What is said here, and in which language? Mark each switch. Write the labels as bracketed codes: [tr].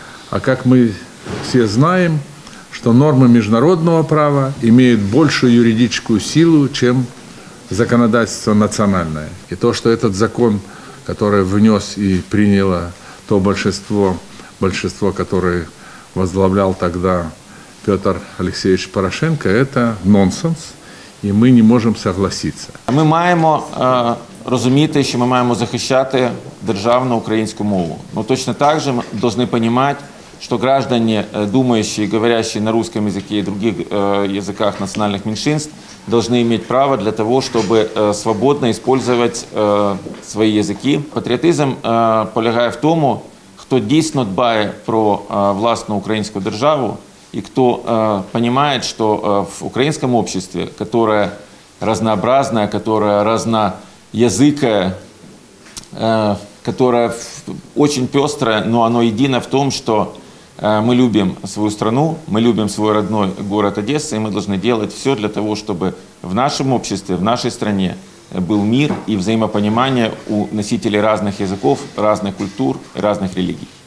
[ru] А как мы все знаем, что нормы международного права имеют большую юридическую силу, чем законодательство национальное. И то, что этот закон, который внес и приняло то большинство, которое возглавлял тогда Петр Алексеевич Порошенко, это нонсенс. [uk] І ми не можемо согласитися. Ми маємо розуміти, що ми маємо захищати державну українську мову. Ну, точно так же ми повинні розуміти, що граждане, думаючи і говорячи [ru] на русском языке [uk] і других языках національних меншинств, повинні мати право для того, щоб свободно використовувати свої язики. Патріотизм полягає в тому, хто дійсно дбає про власну українську державу [ru] и кто понимает, что в украинском обществе, которое разнообразное, которое разноязыкое, которое очень пестрое, но оно едино в том, что мы любим свою страну, мы любим свой родной город Одесса, и мы должны делать все для того, чтобы в нашем обществе, в нашей стране был мир и взаимопонимание у носителей разных языков, разных культур, разных религий.